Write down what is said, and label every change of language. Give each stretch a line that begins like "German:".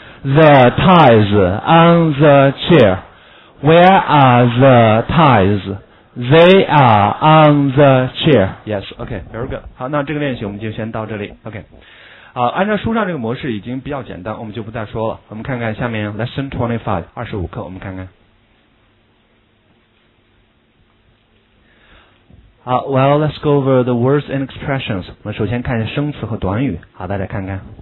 English: The ties on the chair. Where are the ties? They are on the chair. Yes, okay, very good.
Chinese: 好，那这个练习我们就先到这里。
English: Okay.
Chinese: 好，按照书上这个模式已经比较简单，我们就不再说了。我们看看下面 lesson 25, 25课，我们看看。
English: Well, let's go over the words and expressions.
Chinese: 我们首先看生词和短语。好，大家看看。